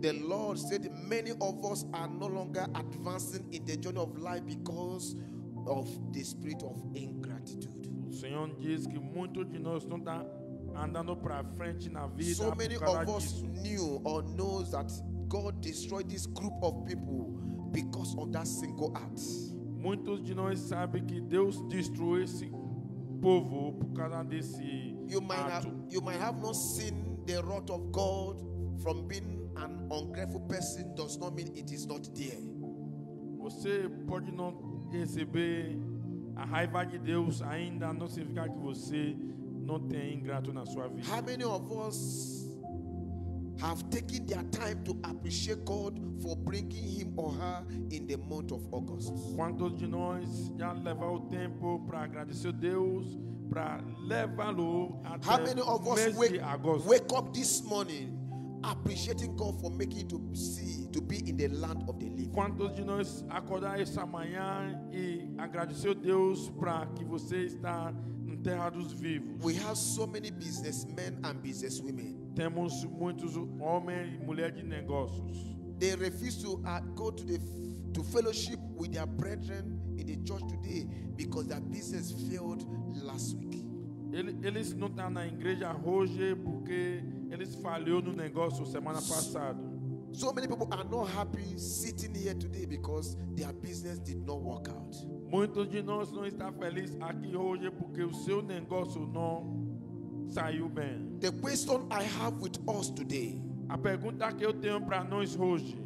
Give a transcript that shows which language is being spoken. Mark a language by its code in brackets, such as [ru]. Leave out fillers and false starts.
[en] The Lord said many of us are no longer advancing in the journey of life because of the spirit of ingratitude. [pt] O Senhor diz que muitos de nós não estão andando para frente na vida. [en] So many of us knew or knows that God destroyed this group of people because of that single act. [pt] Muitos de nós sabem que Deus destruiu esse povo por causa desse ato. [en] You might have not seen the wrath of God from being an ungrateful person does not mean it is not there. [pt] Você pode não receber a raiva de Deus ainda não significa que você não tem ingrato na sua vida. [en] How many of us have taken their time to appreciate God for bringing him or her in the month of August? [pt] Quantos de nós já levou o tempo para agradecer Deus para levá-lo até [en] How many of us wake up this morning appreciating God for making it to be in the land of the living? [pt] Quantos de nós acordar essa manhã e agradecer Deus para que você está na enterrados vivos. [en] We have so many businessmen and businesswomen. [pt] Temos muitos homens e mulheres de negócios. [en] They refuse to go to the to fellowship with their brethren in the church today because their business failed last week. [pt] Eles não estão na igreja hoje porque eles falharam no negócio semana passada. [en] So many people are not happy sitting here today because their business did not work out. [pt] Muitos de nós não estão felizes aqui hoje porque o seu negócio não saiu bem. [en] The question I have with us today. [pt] A pergunta que eu tenho para nós hoje.